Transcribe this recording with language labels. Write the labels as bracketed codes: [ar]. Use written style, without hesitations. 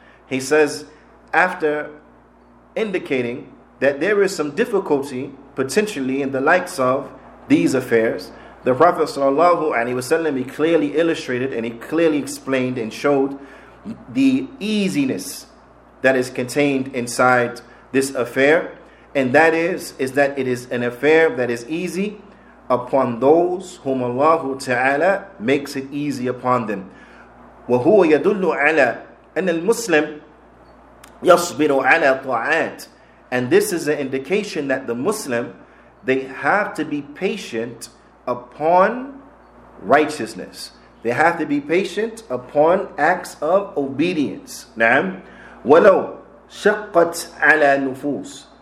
[en] He says, after indicating that there is some difficulty potentially in the likes of these affairs, the Prophet sallallahu alaihi wasallam, he clearly illustrated and he clearly explained and showed the easiness that is contained inside this affair, and that is that it is an affair that is easy upon those whom Allah ta'ala makes it easy upon them. [ar] وهو يدل على أن المسلم يصبر على طاعات. [en] And this is an indication that the Muslim, they have to be patient upon righteousness. They have to be patient upon acts of obedience. [ar] نعم. ولو شقت على النفوس.